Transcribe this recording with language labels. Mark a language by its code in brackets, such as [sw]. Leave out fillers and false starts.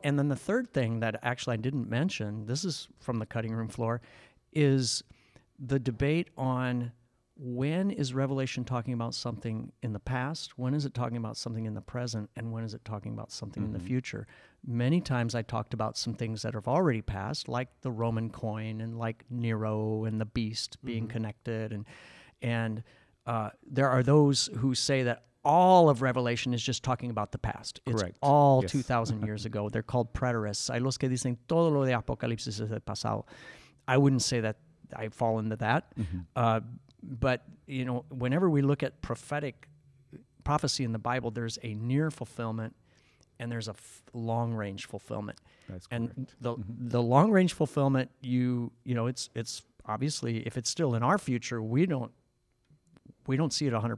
[en] And then the third thing that actually I didn't mention, this is from the cutting room floor, is the debate on when is Revelation talking about something in the past, when is it talking about something in the present, and when is it talking about something mm-hmm. in the future. Many times I talked about some things that have already passed, like the Roman coin and like Nero and the beast mm-hmm. being connected. And there are those who say that all of Revelation is just talking about the past. Correct. It's all yes. 2,000 years ago. They're called preterists. [es] Hay los que dicen todo lo de Apocalipsis es el pasado. [en] I wouldn't say that I fall into that. Mm-hmm. But, you know, whenever we look at prophetic prophecy in the Bible, there's a near fulfillment and there's a long-range fulfillment. That's and correct. The mm-hmm. the long-range fulfillment, you know, it's obviously, if it's still in our future, we don't see it 100%.